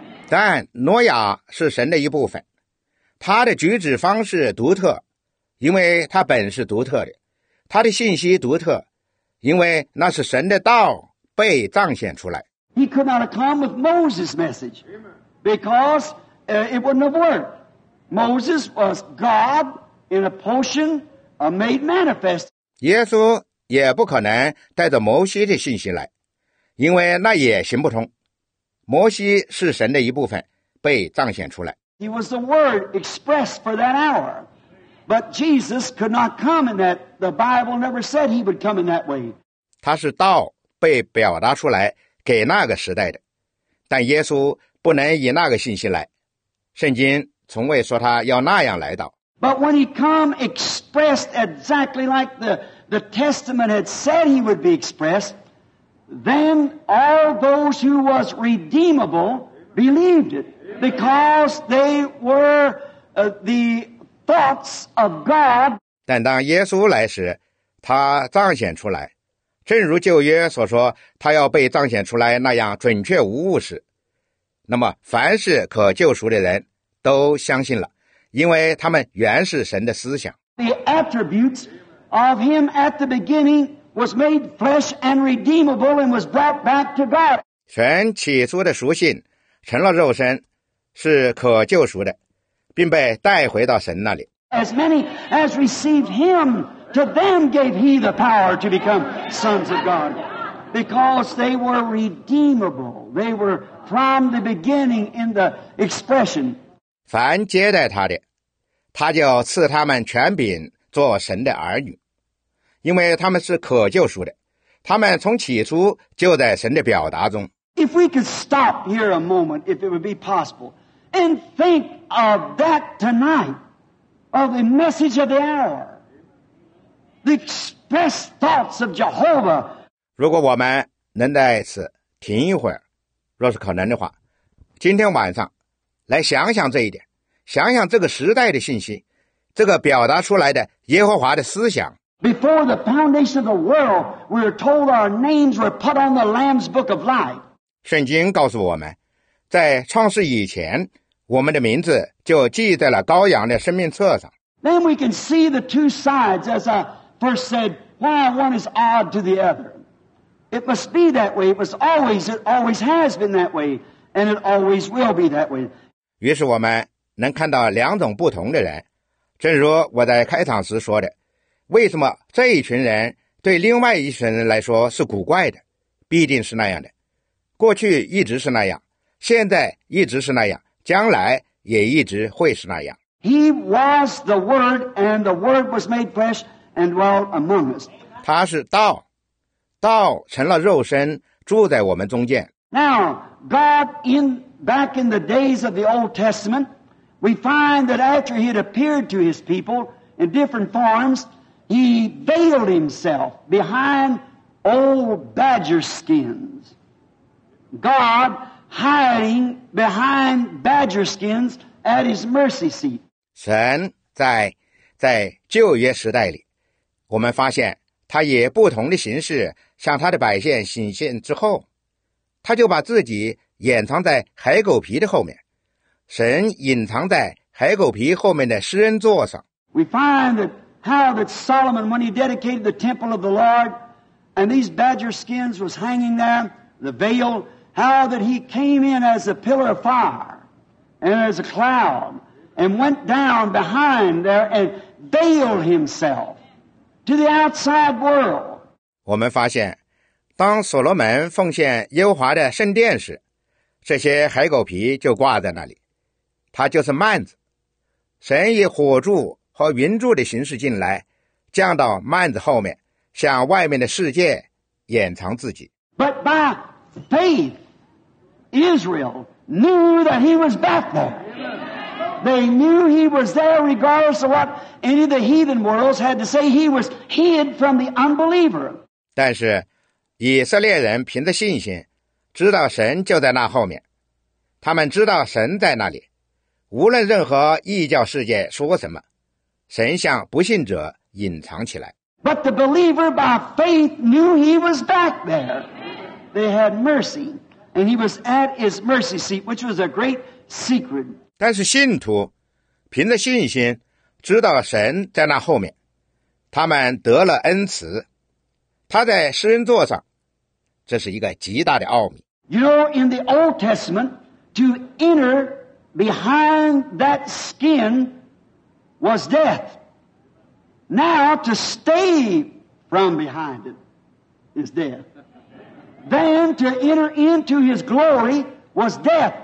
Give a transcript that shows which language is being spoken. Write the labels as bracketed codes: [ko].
[zh] 但挪亚是神的一部分，他的举止方式独特，因为他本是独特的，他的信息独特，因为那是神的道被彰显出来。 [en] He could not have come with Moses' message because it wouldn't have worked. Moses was God in a portion made manifest. [zh] 耶稣也不可能带着摩西的信息来，因为那也行不通。摩西是神的一部分，被彰显出来。 [en] He was the word expressed for that hour. But Jesus could not come in that. The Bible never said he would come in that way. [zh] 他是道被表达出来给那个时代的，但耶稣不能以那个信息来，圣经从未说他要那样来到。 [en] But when he come expressed exactly like the Testament had said he would be expressed, then all those who was redeemable believed it because they were the thoughts of God. [zh] 但当耶稣来时，他彰显出来正如旧约所说他要被彰显出来那样准确无误时，那么凡是可救赎的人都相信了，因为他们原是神的思想。 [en] The attributes of him at the beginning was made flesh and redeemable and was brought back to God. [zh] 神起初的属性成了肉身，是可救赎的，并被带回到神那里。 [en] As many as received himTo them gave he the power to become sons of God. Because they were redeemable. They were from the beginning in the expression. [zh] 凡接待他的，他就赐他们权柄做神的儿女。因为他们是可救赎的，他们从起初就在神的表达中。 [en] If we could stop here a moment, if it would be possible, and think of that tonight, of the message of the hour. the express thoughts of Jehovah. [zh] 如果我们能在此停一会儿，若是可能的话，今天晚上来想想这一点，想想这个时代的信息，这个表达出来的耶和华的思想。 [en] Before the foundation of the world, we are told our names were put on the Lamb's Book of Life. [zh] 圣经告诉我们，在创世以前，我们的名字就记在了羔羊的生命册上。 [en] Then we can see the two sides, as I first said, why one is odd to the other. It must be that way. It always has been that way, and it always will be that way. [zh] 于是我们能看到两种不同的人，正如我在开场时说的。为什么这一群人对另外一群人来说是古怪的？必定是那样的，过去一直是那样，现在一直是那样，将来也一直会是那样。 [en] He was the Word, and the Word was made flesh and dwelt among us. [zh] 他是道，道成了肉身，住在我们中间。 [en] Now, God in back in the days of the Old Testament, we find that after He had appeared to His people in different forms. He veiled himself behind old badger skins. God hiding behind badger skins at his mercy seat. [zh] 神在旧约时代里，我们发现他以不同的形式向他的百姓显现之后，他就把自己掩藏在海狗皮的后面。神隐藏在海狗皮后面的施恩座上。 [en] We find thatHow that Solomon, when he dedicated the temple of the Lord, and these badger skins was hanging there, the veil, how that he came in as a pillar of fire, and as a cloud, and went down behind there and veiled himself to the outside world. [zh] 我们发现，当所罗门奉献耶和华的圣殿时，这些海狗皮就挂在那里，它就是幔子。神以火柱和云柱的形式进来，降到幔子后面，向外面的世界掩藏自己。 [en] But by faith, Israel knew that he was back there. They knew he was there regardless of what any of the heathen worlds had to say. He was hid from the unbeliever. [zh] 但是以色列人凭着信心知道神就在那后面，他们知道神在那里，无论任何异教世界说什么，神像不信者隐藏起来。 [en] But the believer by faith knew he was back there. They had mercy, and he was at his mercy seat, which was a great secret. [zh] 但是信徒凭着信心知道神在那后面，他们得了恩慈，他在施恩座上，这是一个极大的奥秘。 [en] You know, in the Old Testament, to enter behind that skin. Was death. Now to stay from behind it is death. Then to enter into his glory was death.